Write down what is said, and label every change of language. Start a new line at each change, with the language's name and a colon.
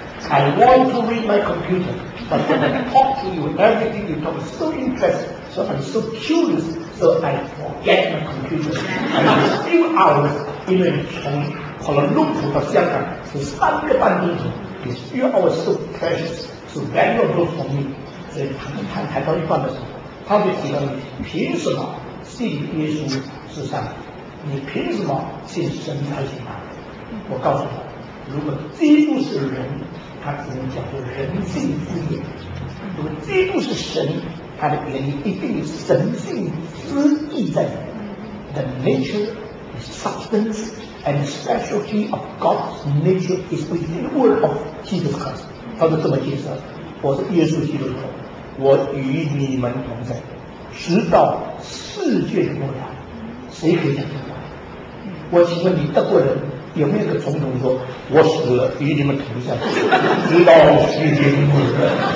English: I want to read my computer but when I talk to you everything you talk is so interesting so I'm so curious so I forget my computer and a few hours
Chinese: 因为从可能路途到香港是三个半钟头，
English: is few hours so precious so valuable for me。
Chinese: 所以他们谈谈到一半的时候，他就提到你凭什么信耶稣是上帝，你凭什么信神才行啊？我告诉他，如果基督是人，他只能叫做人性之眼；如果基督是神，他的眼里一定有神性之意在里面。
English: The nature, the substance, and the specialty of God's nature is within the word of Jesus Christ。
Chinese: 他就这么解释：我是耶稣基督的，我与你们同在，直到世界的末了。谁可以讲这话？我请问你，德国人有没有个总统说我死了与你们同在，直到世界末了？